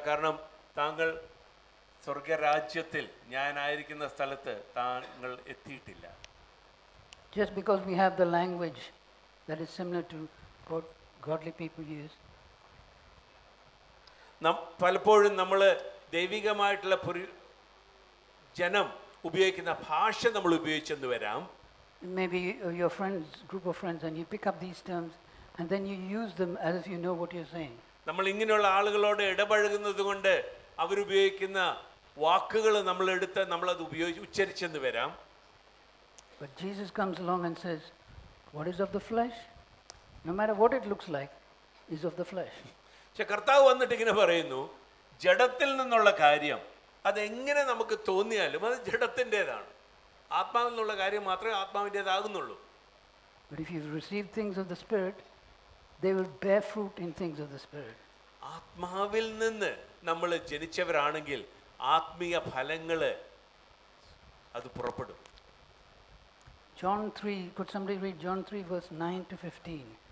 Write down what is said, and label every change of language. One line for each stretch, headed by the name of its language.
Malayalam: കാരണം താങ്കൾ സ്വർഗരാജ്യത്തിൽ ഞാനായിരിക്കുന്ന സ്ഥലത്ത് താങ്കൾ എത്തിയിട്ടില്ല.
English: Just because we have the language that is similar to what godly people use.
Malayalam: നാം പലപ്പോഴും നമ്മൾ ദൈവികമായിട്ടുള്ള ഒരു ജനം ഉപയോഗിക്കുന്ന ഭാഷ നമ്മൾ ഉപയോഗിച്ചെന്ന് വരാം.
English: Maybe your friends, group of friends, and you pick up these terms and then you use them as if you know what you're saying.
Malayalam: നമ്മൾ ഇങ്ങനെയുള്ള ആളുകളോട് ഇടപഴകുന്നതുകൊണ്ട് അവർ ഉപയോഗിക്കുന്ന വാക്കുകൾ നമ്മൾ എടുത്ത് നമ്മൾ അത് ഉപയോഗിച്ച് ഉച്ചരിച്ചെന്ന് വരാം.
English: But Jesus comes along and says, what is of the flesh, no matter what it looks like, is of the flesh.
Malayalam: ശകർത്താവ് വന്നിട്ട് ഇങ്ങനെ പറയുന്നു, ജഡത്തിൽ നിന്നുള്ള കാര്യം അത് എങ്ങനെ നമുക്ക് തോന്നിയാലും അത് ജഡത്തിന്റേതാണ്, ആത്മാവിൽ നിന്നുള്ള കാര്യം മാത്രമേ ആത്മാവിന്റേതാകുന്നുള്ളൂ.
English: But if you receive things of the spirit, they will bear fruit in things of the spirit.
Malayalam: ആത്മാവിൽ നിന്ന് നമ്മൾ ജനിച്ചവരാണെങ്കിൽ ആത്മീയ ഫലങ്ങളെ അത് പുറപ്പെടും.
English: John 3, could somebody read John 3 verse 9 to 15?